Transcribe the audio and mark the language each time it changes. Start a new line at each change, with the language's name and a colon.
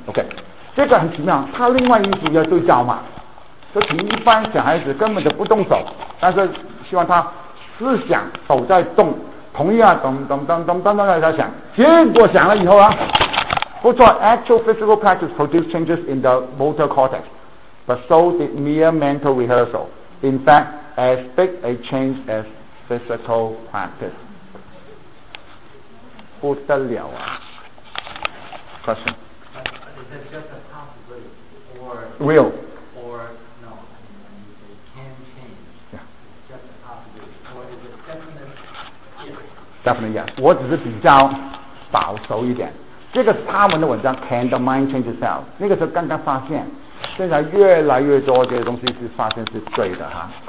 Chinese: OK， 这个很奇妙，他另外一组要对焦嘛，就挺一般小孩子根本就不动手，但是希望他思想手在动，同意啊，咚咚咚咚咚咚咚在想，结果想了以后啊，不错，
English: actual physical practice produced changes in the motor cortex but so did mere mental rehearsal in fact as big a change as physical practice。
Chinese: 不得了啊。Question
English: is that just a possibility or real or no it can change、 yeah. just a possibility or is it definite definite yes。
Chinese: 我只是比较保守一点，这个是他们的文章
English: Can the mind change itself，
Chinese: 那个时候刚刚发现，现在越来越多这些东西是发现是对的哈。